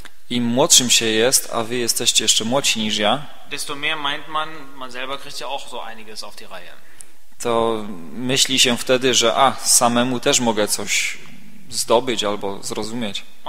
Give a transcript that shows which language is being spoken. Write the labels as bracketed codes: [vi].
[pl] Im młodszym się jest, a wy jesteście jeszcze młodsi niż ja, [de] desto mehr meint man selber kriegt ja auch so einiges auf die Reihe. [pl] To myśli się wtedy, że samemu też mogę coś zdobyć albo zrozumieć.